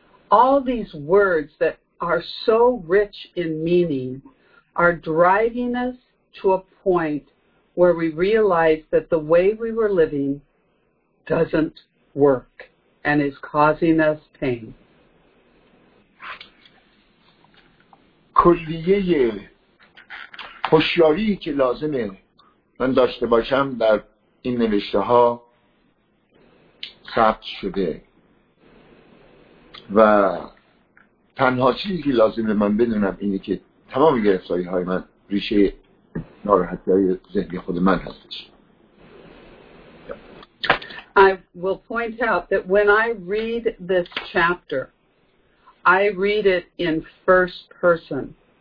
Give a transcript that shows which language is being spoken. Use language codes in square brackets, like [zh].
[en] All these words that are so rich in meaning are driving us to a point where we realize that the way we were living doesn't work and is causing us pain. [fa] کلیه هوشیاری که لازمه من داشته باشم در این نوشته ها ثبت شده و تنها چیزی که لازمه من بدونم اینه که تمام گرفتاری های من ریشه ناراحتی های ذهنی خود من هستش. [en] I will point out that when I read this chapter, I read it in first person.